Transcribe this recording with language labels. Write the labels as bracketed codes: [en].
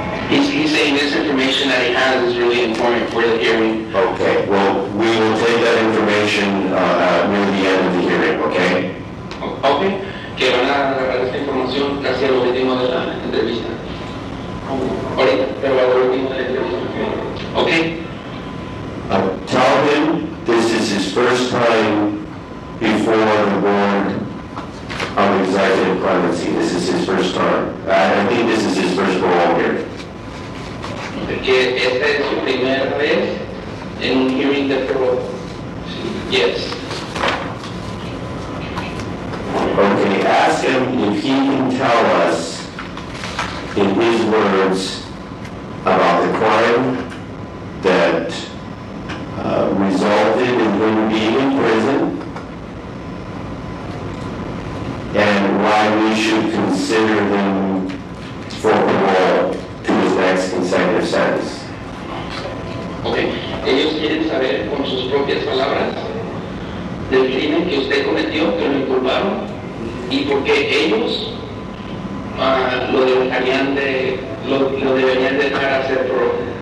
[en] He's saying this information that he has is really important for the hearing. Okay, well, we will take that information near the end of the hearing, okay? Okay. [es] Que van a agarrar esta información casi al último de la entrevista. Ahorita, pero al último de la entrevista. Okay. [en] Tell him this is his first time before the board of executive clemency. This is his first time. I think this is his first parole here. [es] Que esta es su primera vez en un hearing de parole. [en] Yes. Okay, ask him if he can tell us in his words about the crime that resulted in him being in prison and why we should consider him for parole to his next consecutive sentence. Okay. [es] Ellos quieren saber con sus propias palabras del crimen que usted cometió, que lo inculparon, y por qué ellos lo deberían dejar hacer parole.